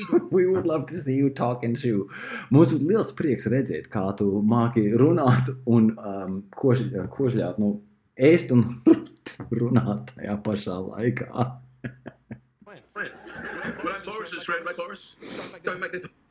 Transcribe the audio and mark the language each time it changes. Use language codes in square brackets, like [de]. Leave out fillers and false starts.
[en] We would love to see you talk and chew. [lv] Mums būtu liels prieks redzēt, kā tu māki runāt un kožļāt, nu, ēst un runāt tajā pašā laikā. [en] Right, Boris is right, Boris. Don't make this...